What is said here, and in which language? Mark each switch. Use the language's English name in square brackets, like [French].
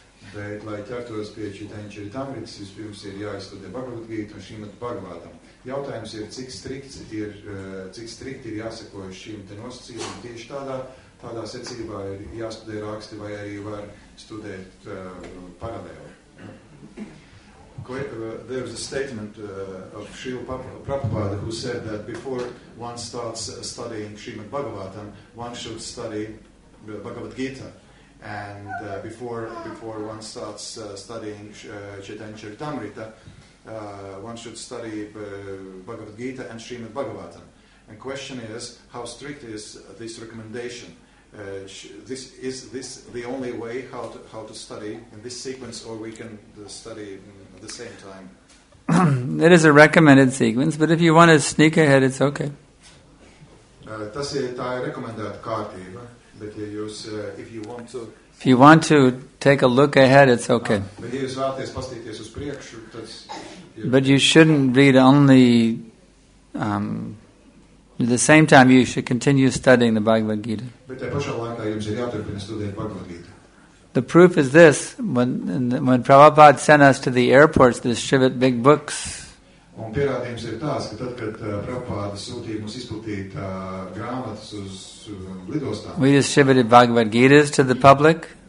[Latvian] Bet, lai ķertos pie Čitāņa Čaritāmritas, vispirms ir jāizstudē Bhagavad Gītu un Šrīmad Bhagavātam. Jautājums ir, cik strikti ir jāsakojas šīm te nosacījumam. Tieši tādā secībā ir jāstudē raksti vai arī var studēt paralēli. [English] There is a statement of Srila Prabhupada who said that before one starts studying Srimad Bhagavatam, one should study Bhagavad Gita. And before one starts studying Chaitanya Charitamrita, one should study Bhagavad Gita and Srimad Bhagavatam. And question is, how strict is this recommendation? Is this the only way how to study in this sequence, or we can study at the same time? It is a recommended sequence, but if you want to sneak ahead, it's okay. [Latvian] Tā ir rekomendēta kārtība, bet [English] if you want to take a look ahead, it's okay. [Latvian] Bet ja jūs vēlaties paskatīties uz priekšu, tad [English] But you shouldn't read only. At the same time, you should continue studying the Bhagavad Gita. The proof is this, when Prabhupada sent us to the airports to distribute big books, we distributed Bhagavad Gitas to the public.